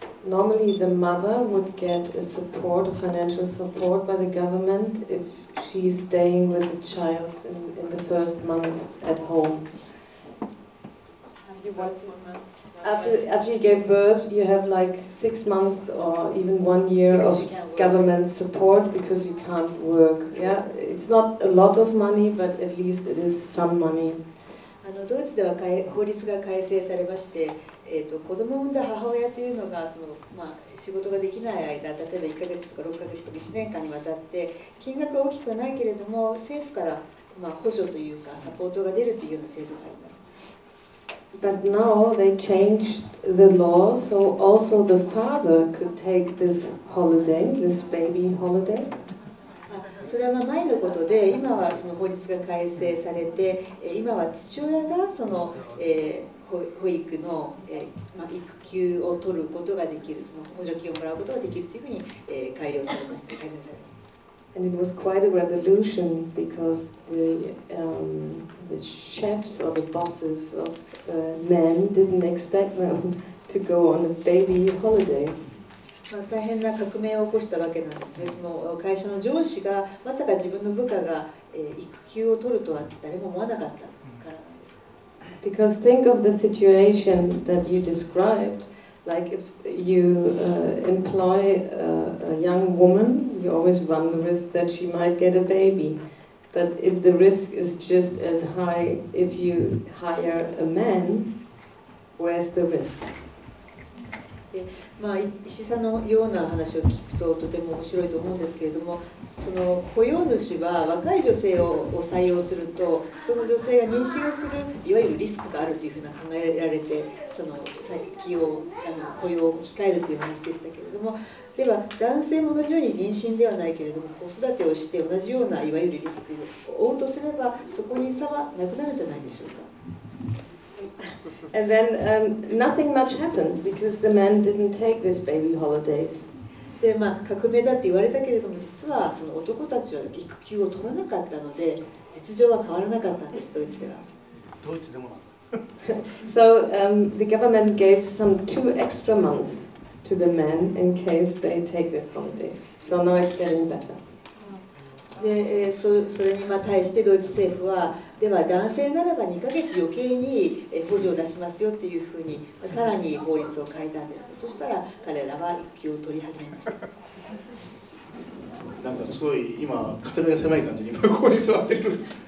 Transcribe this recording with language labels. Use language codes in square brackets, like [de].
[en] Normally the mother would get a support, a financial support by the government if she is staying with the child in the first month at home. After you gave birth, you have like 6 months or even 1 year of government support because you can't work. Yeah, it's not a lot of money, but at least it is some money. [ja] ドイツでは法律が改正されまして、子供を産んだ母親というのがその、まあ、仕事ができない間、例えば1ヶ月とか6ヶ月とか1年間にわたって、金額は大きくはないけれども、政府から、まあ、補助というかサポートが出るというような制度があります。 [en] But now they changed the law, so also the father could take this holiday, this baby holiday. [ja] それは前のことで、今はその法律が改正されて、今は父親がその、保育の、まあ、育休を取ることができる、その補助金をもらうことができるというふうに、改良されました。改善されました。 [en] And it was quite a revolution because the chefs or the bosses of men didn't expect them to go on a baby holiday. [ja] まあ大変な革命を起こしたわけなんですね。その会社の上司がまさか自分の部下が育休を取るとは誰も思わなかったからなんです。 [en] Because think of the situation that you described. Like if you employ a young woman, you always run the risk that she might get a baby. But if the risk is just as high if you hire a man, where's the risk? [ja] まあ、石さんのような話を聞くととても面白いと思うんですけれども、その雇用主は若い女性を採用すると、その女性が妊娠をするいわゆるリスクがあるというふうな考えられて、その起用雇用を控えるという話でしたけれども、では男性も同じように妊娠ではないけれども、子育てをして同じようないわゆるリスクを負うとすれば、そこに差はなくなるんじゃないでしょうか。 [en] And then nothing much happened because the men didn't take these baby holidays. [ja] で、まあ、革命だって言われたけれども、実はその男たちは育休を取らなかったので、実情は変わらなかったんです、ドイツでは。ドイツでもなんだ。 [en] So the government gave some 2 extra months to the men in case they take these holidays. So now it's getting better. [ja] でそれに対してドイツ政府は、では男性ならば2ヶ月余計に補助を出しますよというふうに、さらに法律を変えたんです。そしたら彼らは育休を取り始めました。なんかすごい今、肩身が狭い感じに今ここに座ってる。